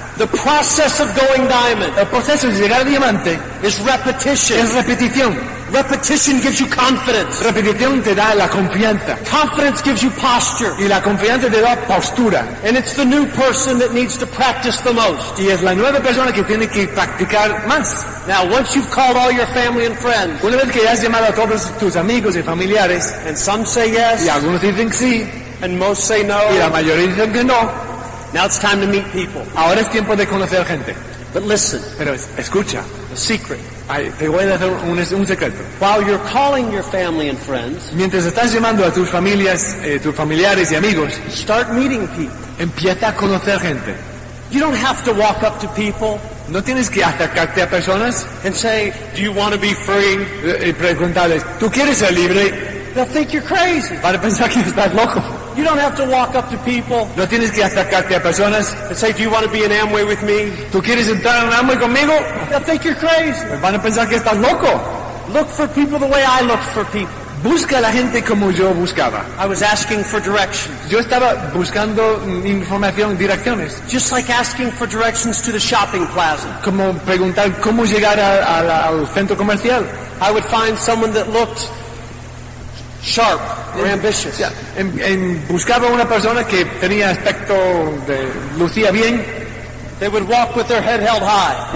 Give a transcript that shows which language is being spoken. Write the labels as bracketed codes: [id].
[en] The process of going diamond. [es] El proceso de llegar a diamante [en] is repetition. [es] Es repetición. [en] Repetition gives you confidence. [es] Repetición te da la confianza. [en] Confidence gives you posture. [es] Y la confianza te da postura. [en] And it's the new person that needs to practice the most. [es] Y es la nueva persona que tiene que practicar más. [en] Now, once you've called all your family and friends, [es] una vez que has llamado a todos tus amigos y familiares, [en] and some say yes, [es] y algunos dicen sí, [en] and most say no, [es] y la mayoría dicen que no, [en] now it's time to meet people. [es] Ahora es tiempo de conocer gente. [en] But listen, [es] pero escucha, [en] a secret. [es] Te voy a dar un secreto. [en] While you're calling your family and friends, [es] mientras estás llamando a tus familias, tus familiares y amigos, [en] start meeting people. [es] Empieza a conocer gente. [en] You don't have to walk up to people. [es] No tienes que acercarte a personas. [en] And say, do you want to be free? [es] Y preguntarles, ¿tú quieres ser libre? [en] They'll think you're crazy. [es] Van a pensar que estás loco. [en] You don't have to walk up to people. [es] No tienes que acercarte a personas. [en] And say, do you want to be in Amway with me? [es] ¿Tú quieres entrar en Amway conmigo? [en] They'll think you're crazy. [es] Van a pensar que estás loco. [en] Look for people the way I look for people. [es] Busca a la gente como yo buscaba. [en] I was asking for directions. [es] Yo estaba buscando información, direcciones. [en] Just like asking for directions to the shopping plaza. [es] Como preguntar cómo llegar al centro comercial. [en] I would find someone that looked sharp or ambitious. Yeah. [es] En buscaba una persona que tenía aspecto de lucía bien. [en] They would walk with their head held high.